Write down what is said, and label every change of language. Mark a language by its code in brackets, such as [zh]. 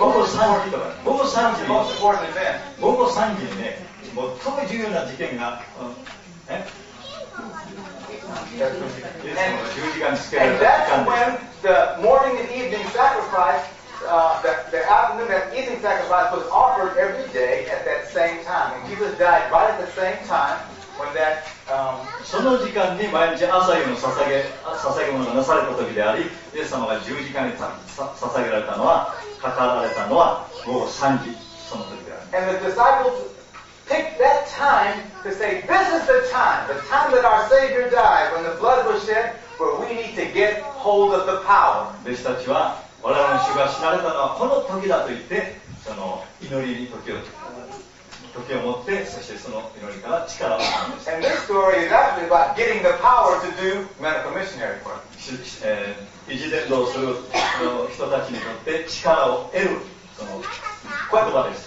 [en] when the morning and evening sacrifice, the afternoon and evening sacrifice was offered every day at that same time. And Jesus died right at the same time when that. [ja] その時間に毎日朝夕の捧げ物がなされた時であり、イエス様が十字架に捧げられたのは、語られたのは午後3時、その時である。 [en] And the disciples picked that time to say, this is the time that our Savior died, when the blood was shed, where we need to get hold of the power. [ja] 弟子たちは、我々の主が死なれたのはこの時だと言って、その祈りに時を持って、そしてその祈りから力を持ちました。 [en] And this story is actually about getting the power to do medical missionary work. [ja] 医師伝道する人たちにとって力を得る、その言葉です。